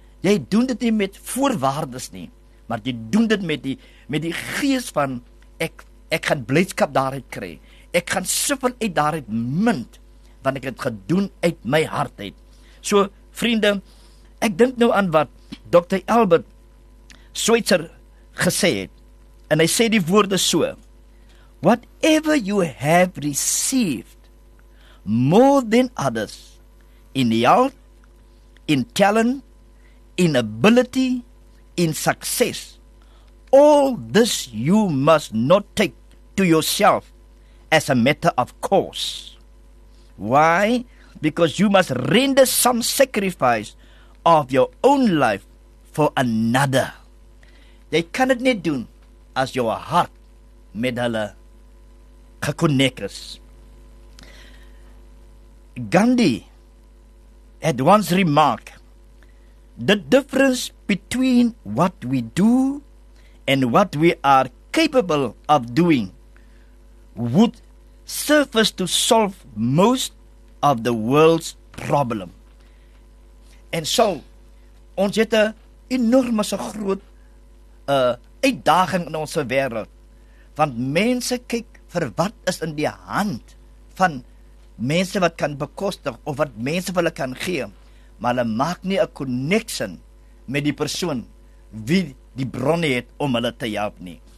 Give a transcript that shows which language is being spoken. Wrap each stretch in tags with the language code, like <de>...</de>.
<af>Jy doen dit nie met voorwaardes nie, maar jy doen dit met die gees van, ek gaan blydskap daaruit kry. Ek gaan soveel uit daaruit mint, want ek het gedoen uit my hart uit. So, vriende, ek dink nou aan wat Dr.</af> <en>Albert Schweitzer</en> <af>gesê het, en hy sê die woorde so,</af> <en>whatever you have received, more than others, in health, in talent, in ability, in success, all this you must not take to yourself as a matter of course. Why? Because you must render some sacrifice of your own life for another.</en> <af>Jy kan dit net doen as jou hart met hulle gekonnek is.</af> <en>Gandhi had once remarked, the difference between what we do and what we are capable of doing would surface to solve most of the world's problem.</en> <af>En so, ons het 'n enorme so groot uitdaging in ons wêreld, want mense kyk vir wat is in die hand van mense wat kan bekostig of wat mense vir hulle kan gee, maar hulle maak nie 'n connection met die persoon wie die bronne het om hulle te help nie.</af>